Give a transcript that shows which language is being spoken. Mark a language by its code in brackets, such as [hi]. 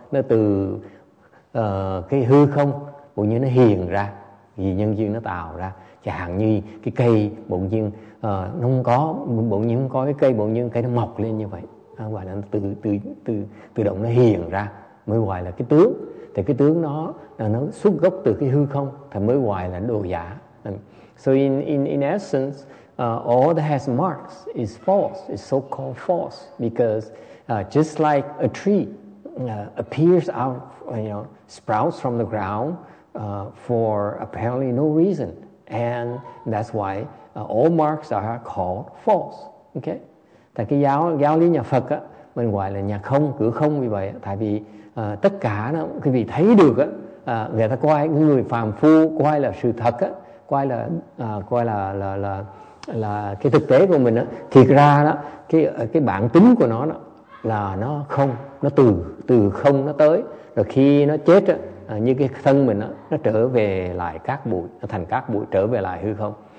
[vi] Nó từ cái hư không, bỗng nhiên nó hiện ra, vì nhân duyên nó tạo ra. Chẳng như cái cây bỗng nhiên nó không có, bỗng nhiên không có cái cây, bỗng nhiên cái nó mọc lên như vậy. Không phải là nó tự động nó hiện ra mới gọi là cái tướng. Thì cái tướng đó là nó xuất gốc từ cái hư không, thì mới gọi là đồ giả. [en] So in essence, all that has marks is false, is so called false, because just like a tree appears out, sprouts from the ground for apparently no reason, and that's why all marks are called false. Okay? [vi] Tại cái giáo lý nhà Phật á, mình gọi là nhà không, cửa không vì vậy, tại vì tất cả nó quý vị thấy được á, người ta coi người phàm phu coi là sự thật á, coi là cái thực tế của mình á, thiệt ra đó cái bản tính của nó đó, là nó không, nó từ không nó tới, rồi khi nó chết á, như cái thân mình á, nó trở về lại cát bụi, nó thành cát bụi trở về lại hư không.